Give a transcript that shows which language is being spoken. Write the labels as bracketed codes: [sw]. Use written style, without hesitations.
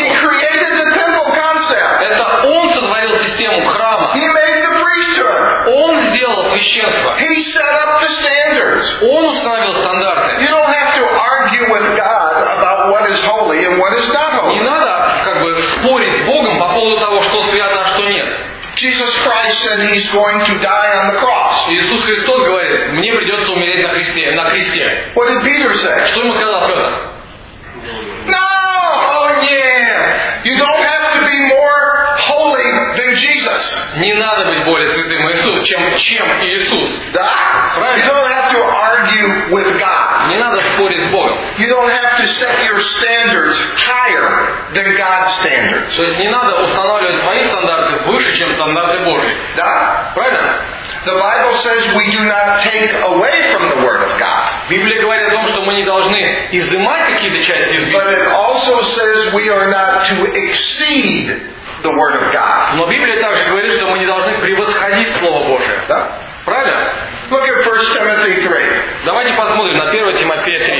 [en] He created the temple concept. [ru] Это он сотворил систему храма. [en] He made the priesthood. [ru] Он сделал священство. [en] He set up the standards. [ru] Он установил стандарты. [en] You don't have to argue with God about what is holy and what is not holy. [ru] Не надо спорить с Богом по поводу того, что свято, а что нет. [en] Jesus Christ said he's going to die on the cross. [ru] Иисус Христос говорит, мне придется умереть на кресте. [en] What did Peter say? [ru] Что ему сказал Петр? [en] No! Oh, yeah! You don't have to be more holy than Jesus. [ru] Не надо быть более святым Иисусом, чем Иисус. Да? Правильно? [en] You don't have to argue with God. [ru] Не надо спорить с Богом. [en] You don't have to set your standards higher than God's standards. [ru] То есть не надо устанавливать свои стандарты выше, чем стандарты Божьи. Да? Правильно? [en] The Bible says we do not take away from the Word of God. [ru] Библия говорит о том, что мы не должны изымать какие-то части из Библии. [en] But it also says we are not to exceed the Word of God. [ru] Но Библия также говорит, что мы не должны превосходить Слово Божие. Да? Правильно? [en] Look at 1 Timothy 3. [ru] Давайте посмотрим на 1 Тимофея 3.